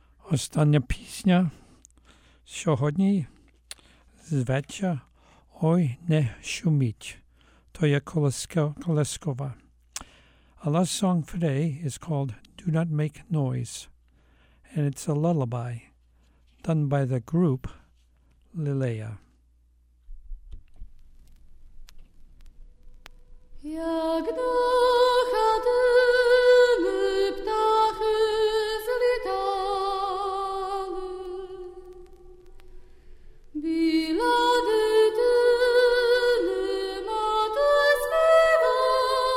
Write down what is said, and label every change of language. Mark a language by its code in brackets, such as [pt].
[uk] Остання пісня сьогодні зветься «Ой, не шуміть». То є Колескова. [en] Our last song for today is called «Do Not Make Noise», and it's a lullaby done by the group Lilea. [uk] Як до хати птахи злітали, біла дитина мати співала,